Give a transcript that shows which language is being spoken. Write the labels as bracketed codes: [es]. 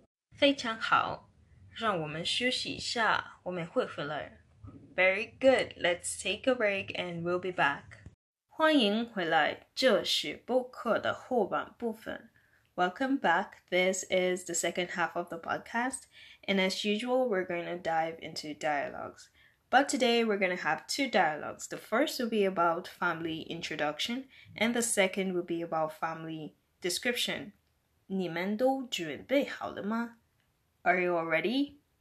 [zh] 非常好，让我们休息一下，我们会回来。 [en] Very good, let's take a break and we'll be back. [zh] 欢迎回来，这是播客的后半部分。 [en] Welcome back. This is the second half of the podcast. And as usual, we're going to dive into dialogues. But today, we're going to have two dialogues. The first will be about family introduction, and the second will be about family description. [zh] 你们都准备好了吗? [en] Are you all ready?